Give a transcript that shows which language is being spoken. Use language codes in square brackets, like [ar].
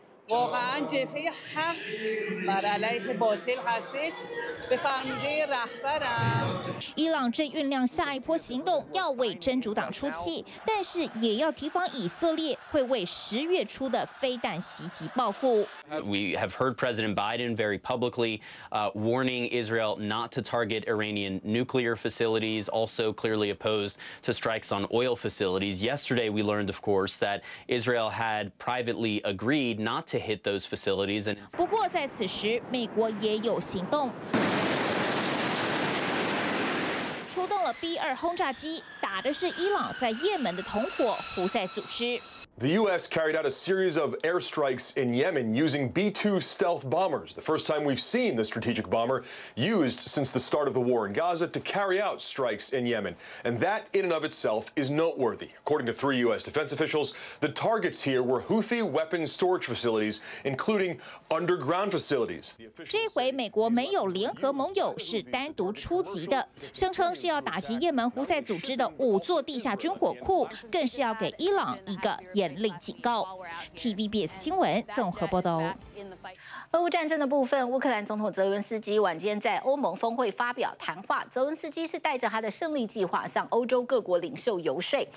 [fa] واقعاً جبهه حق بر علیه باطل هستش به فهمیده رهبرم [zh] 伊朗正酝酿下一波行动，要为真主党出气，但是也要提防以色列会为10月初的飞弹袭击报复。 [en] We have heard President Biden very publicly warning Israel not to target Iranian nuclear facilities, also clearly opposed to strikes on oil facilities. Yesterday, we learned, of course, that Israel had privately agreed not to hit those facilities. [zh] 不过在此时，美国也有行动，出动了 B-2 轰炸机，打的是伊朗在也门的同伙胡塞组织。 [en] The U.S. carried out a series of airstrikes in Yemen using B-2 stealth bombers, the first time we've seen the strategic bomber used since the start of the war in Gaza to carry out strikes in Yemen. And that in and of itself is noteworthy. According to 3 U.S. defense officials, the targets here were Houthi weapons storage facilities, including underground facilities. [zh] 这回美国没有联合盟友，是单独出击的，声称是要打击也门胡塞组织的5座地下军火库，更是要给伊朗一个。严厉警告。 TVBS 新闻综合报道。俄乌战争的部分，乌克兰总统泽连斯基晚间在欧盟峰会发表谈话，泽连斯基是带着他的胜利计划向欧洲各国领袖游说。